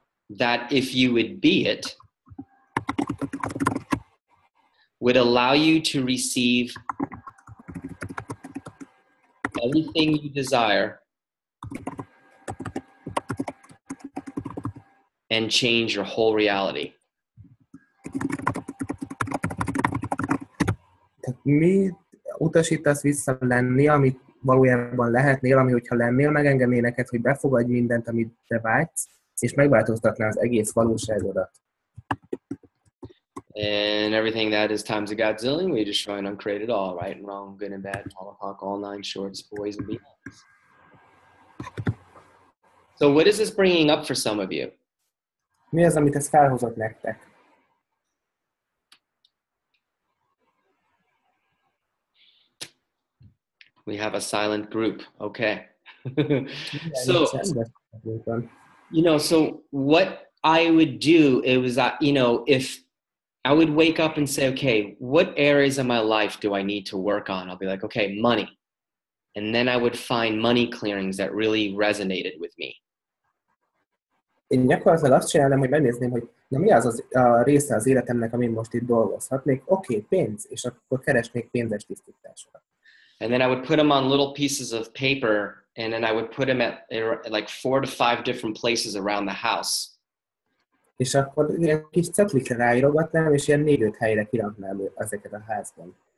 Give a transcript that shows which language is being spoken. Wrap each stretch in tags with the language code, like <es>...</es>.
<en>that if you would be it, would allow you to receive everything you desire and change your whole reality.</en> <hu>Mi utasítasz vissza lenni, amit valójában lehetnél, ami hogyha lennél, megengedné neked, hogy befogadj mindent, amit te vágysz, és megváltoztatná az egész valóságodat.</hu> <en>And everything that is times a godzillion, we destroy and uncreate it all, right and wrong, good and bad, Holocaust, all nine shorts, boys and beyonds. So what is this bringing up for some of you?</en> <hu>Mi az, amit ez felhozott nektek?</hu> <en>We have a silent group, okay. So, you know, so what I would do, it was, you know, if I would wake up and say, okay, what areas of my life do I need to work on? I'll be like, okay, money. And then I would find money clearings that really resonated with me.</en> <hu>Én gyakorlatilag azt csinálnám, hogy megnézném, hogy na mi az a része az életemnek, amin most itt dolgozhatnék. Okay, pénz, és akkor keresnék pénzes tisztításokat.</hu> <en>And then I would put them on little pieces of paper, and then I would put them at like 4 to 5 different places around the house.</en> <hu>És akkor ilyen kis cetlikre ráírogatnám, és ilyen 4-5 helyre kiraknám ezeket a házban.</hu>